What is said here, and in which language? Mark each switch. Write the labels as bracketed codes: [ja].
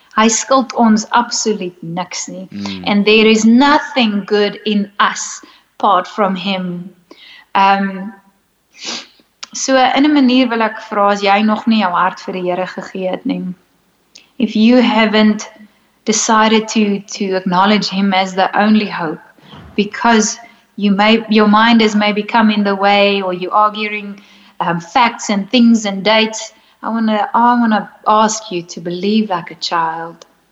[af] Hy skuld ons absoluut niks nie. Mm. [en] And there is nothing good in us apart from him. [af] So in 'n manier wil ek vra, as jy nog nie jou hart vir die Here gegee het nie. [en] If you haven't decided to acknowledge him as the only hope, because your mind is maybe come in the way, or you're arguing facts and things and dates, I wanna ask you to believe like a child.